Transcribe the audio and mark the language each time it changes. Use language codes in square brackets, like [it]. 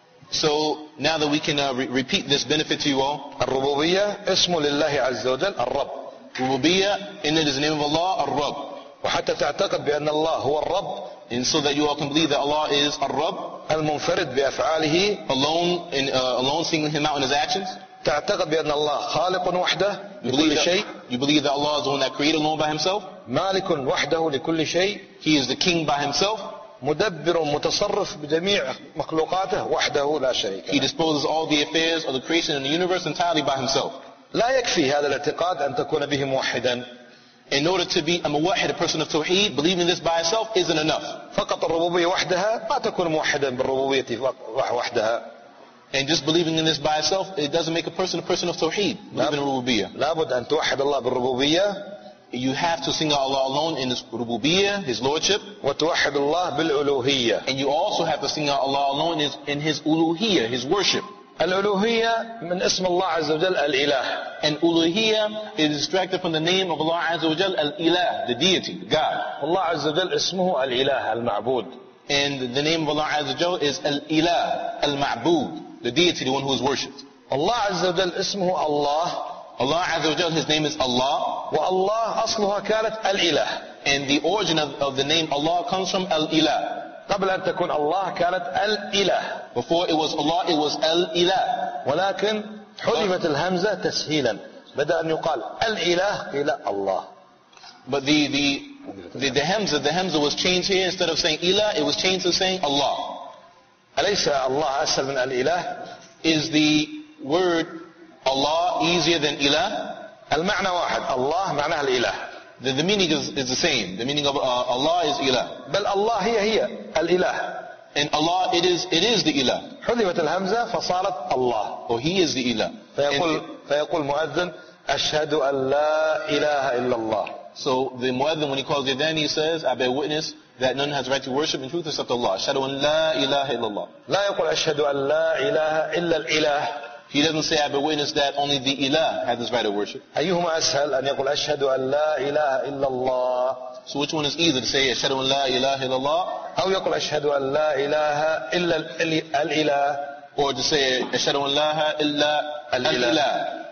[en] So now that we can repeat this benefit to you all. [ar] الربوبية اسم لله عز وجل الرب. [en] ربوبية, in it is the name of Allah, الرب. [ar] وحتى تعتقد بأن الله هو الرب. [en] And so that you all can believe that Allah is الرب. [ar] المنفرد بأفعاله. [en] Alone singling Him out in His actions. [ar] تعتقد بأن الله خالق وحده لكل شيء. [en] You believe that Allah is the one that created alone by Himself. [ar] مالك وحده لكل شيء. [en] He is the king by Himself. [ar] مدبر ومتصرف بجميع مخلوقاته وحده لا شريك. [en] He disposes all the affairs of the creation and the universe entirely by Himself. [ar] لا يكفي هذا الاعتقاد أن تكون به موحدا. [en] In order to be a muwahhid, a person of tawheed, believing this by itself isn't enough. [ar] فقط الربوبية وحدها ما تكون موحدا بالربوبية وحدها. [en] And just believing in this by itself, it doesn't make a person of tawheed, believing in الربوبية. [ar] لابد أن توحد الله بالربوبية. [en] You have to sing out Allah alone in His rububiyyah, His lordship. [ar] وتوحد الله بالألوهية. [en] And you also have to sing out Allah alone in His ألوهية, His worship. [ar] الألوهية من اسم الله عز وجل الإله. [en] And ألوهية is extracted from the name of Allah [ar] عز وجل الإله, [en] the deity, the God. [ar] الله عز وجل اسمه الإله المعبود. [en] And the name of Allah [ar] عز وجل [en] is [ar] الإله المعبود, [en] the deity, the one who is worshipped. [ar] الله عز وجل اسمه الله. [en] Allah [ar] عز وجل, [en] His name is Allah. [ar] والله أصلها كانت الإله. [en] And the origin of the name Allah comes from الإله. [ar] قبل أن تكون الله كانت الإله. [en] Before it was Allah, it was الإله. [ar] ولكن حذفت الهمزة تسهيلا. بدأ أن يقال الإله قيل الله. [en] But the hamza was changed here. Instead of saying إله, it was changed to saying Allah. [ar] أليس الله أسهل من الإله؟ [en] Is the word Allah easier than إله؟ [ar] المعنى واحد. الله معناه الإله. [en] The meaning is the same. The meaning of Allah is إله. [ar] بل الله هي الإله. [en] And Allah it is the إله. [ar] حذفت الهمزة فصارت الله. [en] Oh, He is the إله. [ar] فيقول مؤذن أشهد أن لا إله إلا الله. [en] So the مؤذن when he calls the adhan, he says, I bear witness that none has right to worship in truth except Allah. [ar] أشهد أن لا إله إلا الله. لا يقول أشهد أن لا إله إلا الإله. [en] He doesn't say, I bear witness that only the إله has this right of worship. [ar] أيهما أسهل أن يقول أشهد أن لا إله إلا الله. [en] So which one is easier to say, [ar] أشهد أن لا إله إلا الله. أو يقول أشهد أن لا إله إلا الإله. [en] Or to say, [ar] أشهد أن لا إله إلا الإله.